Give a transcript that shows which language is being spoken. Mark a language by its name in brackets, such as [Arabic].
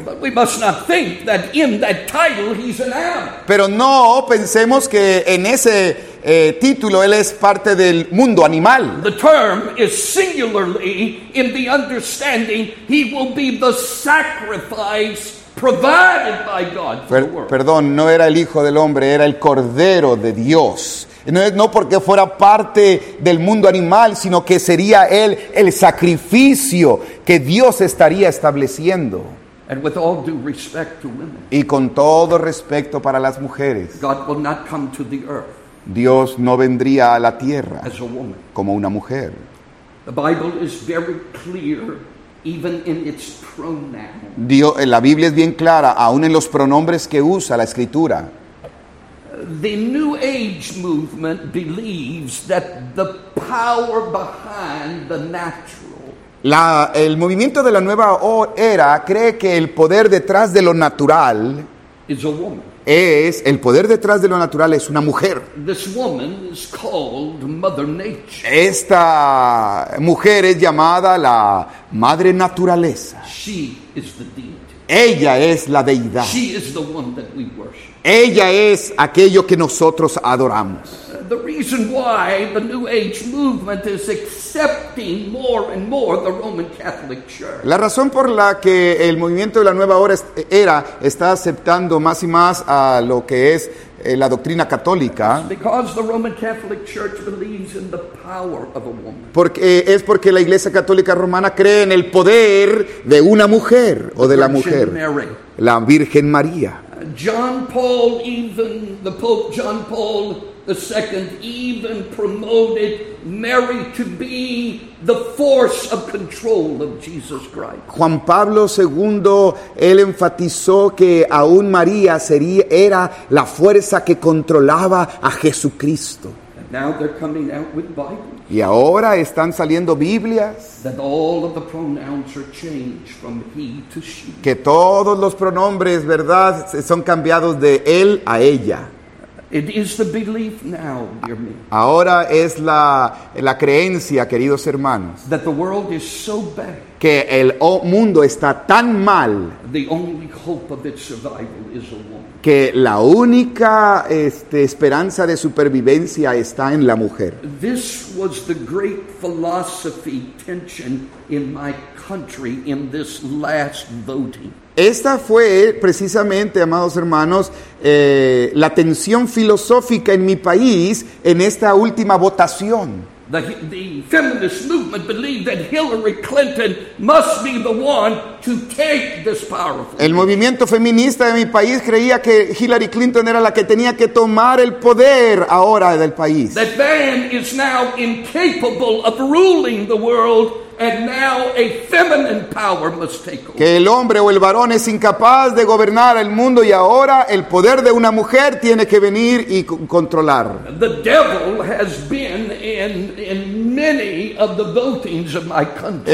[English] But we must not think that in that title he's an animal. [Spanish] Pero no pensemos que en ese título él es parte del mundo animal. [English] The term is singularly in the understanding he will be the sacrifice provided by God for the world. [Spanish] Perdón, no era el hijo del hombre, era el cordero de Dios. No porque fuera parte del mundo animal, sino que sería él el sacrificio que Dios estaría estableciendo. [English] And with all due respect to women, [Spanish] y con todo respeto para las mujeres, [English] God will not come to the earth. [Spanish] Dios no vendría a la tierra [English] as a woman. [Spanish] Como una mujer. [English] The Bible is very clear, even in its pronoun. [Spanish] Dios, la Biblia es bien clara, aún en los pronombres que usa la Escritura. [English] The New Age movement believes that the power behind the natural. [Spanish] El movimiento de la nueva era cree que el poder detrás de lo natural [English] is a woman. [Spanish] Es el poder detrás de lo natural es una mujer. [English] This woman is called Mother Nature. [Spanish] Esta mujer es llamada la Madre Naturaleza. [English] She is the deity. [Spanish] Ella es la deidad. [English] She is the one that we worship. [Spanish] Ella es aquello que nosotros adoramos. [English] The reason why the New Age movement is accepting more and more the Roman Catholic Church. [Spanish] La razón por la que el movimiento de la nueva era está aceptando más y más a lo que es la doctrina católica. [English] It's because the Roman Catholic Church believes in the power of a woman. [Spanish] Porque es porque la Iglesia Católica Romana cree en el poder de una mujer o de la mujer. La Virgen María. [English] John Paul, even the Pope John Paul II, even promoted Mary to be the force of control of Jesus Christ. [Spanish] Juan Pablo II, él enfatizó que aún María era la fuerza que controlaba a Jesucristo. [English] And now they're coming out with Bibles. [Spanish] Y ahora están saliendo Biblias. [English] That all of the pronouns are changed from he to she. [Spanish] Que todos los pronombres, ¿verdad?, son cambiados de él a ella. [English] It is the belief now, dear me. [Spanish] Ahora es la creencia, queridos hermanos. [English] That the world is so bad. [Spanish] Que el mundo está tan mal. [English] The only hope of its survival is a woman. [Spanish] Que la única esperanza de supervivencia está en la mujer. [English] This was the great philosophy tension in my country in this last voting. [Spanish] Esta fue precisamente, amados hermanos, la tensión filosófica en mi país en esta última votación. [English] The feminist movement believed that Hillary Clinton must be the one to take this powerful. [Spanish] El movimiento feminista de mi país creía que Hillary Clinton era la que tenía que tomar el poder ahora del país. [English] That man is now incapable of ruling the world and now a feminine power must take over. [Spanish] Que el hombre o el varón es incapaz de gobernar el mundo y ahora el poder de una mujer tiene que venir y controlar. [English] The devil has been in many of the votings of my country.